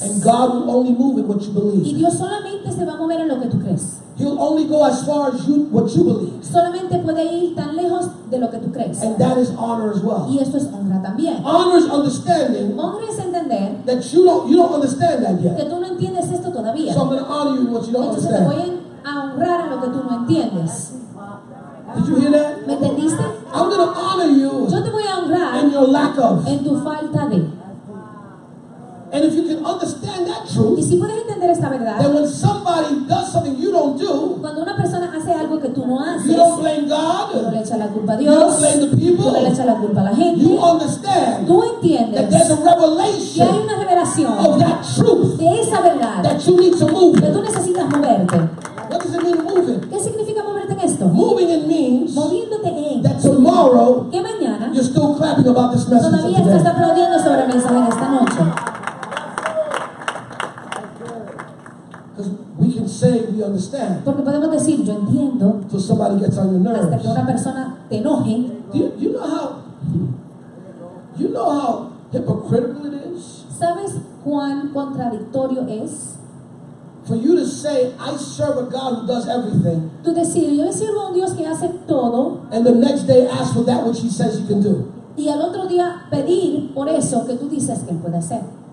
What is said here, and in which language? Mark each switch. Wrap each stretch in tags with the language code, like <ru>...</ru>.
<en>And God will only move in what you believe.</en> <es>Y Dios solamente se va a mover en lo que tú crees.</es> <en>He'll only go as far as you, what you believe.</en> <es>Solamente puede ir tan lejos de lo que tú crees.</es> <en>And that is honor as well.</en> <es>Y esto es honra también.</es> <en>Honor is understanding.</en> <es>Honor es entender.</es> <en>That you don't understand that yet.</en> <es>Que tú no entiendes esto todavía.</es> <en>So I'm going to honor you in what you don't</en> <es>entonces</es> <en>understand.</en> <es>Entonces voy a honrar a lo que tú no entiendes.</es> <en>Did you hear that?</en> <es>¿Me entendiste?</es> <en>I'm going to honor you.</en> <es>Yo te voy a honrar.</es> <en>In your lack of.</en> <es>En tu falta de.</es> <en>And if you can understand that truth,</en> <es>y si puedes entender esta verdad,</es> <en>then when somebody does something you don't do,</en> <es>cuando una persona hace algo que tú no haces,</es> <en>you don't blame God,</en> <es>tú no le echas la culpa a Dios,</es> <en>you don't blame the people,</en> <es>tú no le echas la culpa a la gente,</es> <en>you understand,</en> <es>tú entiendes,</es> <en>that there's a revelation,</en> <es>que hay una revelación,</es> <en>of that truth,</en> <es>de esa verdad,</es> <en>that you need to move,</en> <es>que tú necesitas moverte.</es> <en>What does it mean moving?</en> <es>¿Qué significa moverte en esto?</es> <en>Moving it means,</en> <es>moviéndote en,</es> <en>that tomorrow,</en> <es>que mañana,</es> <en>you're still clapping about this message</en> <es>todavía estás</es> <en>today.</en> <es>Aplaudiendo sobre el mensaje de esta noche.</es> <en>Say we understand.</en> <es>Porque podemos decir yo entiendo.</es> <en>Till somebody gets on your nerves.</en> <es>Hasta que una persona te enoje.</es> <en>Do you know how hypocritical it is?</en> <es>¿Sabes cuán contradictorio es?</es> <en>For you to say I serve a God who does everything.</en> <es>Tú decir yo le sirvo a un Dios que hace todo.</es> <en>And the next day ask for that which He says you can do.</en> <es>Y al otro día pedir por eso que tú dices que él puede hacer.</es>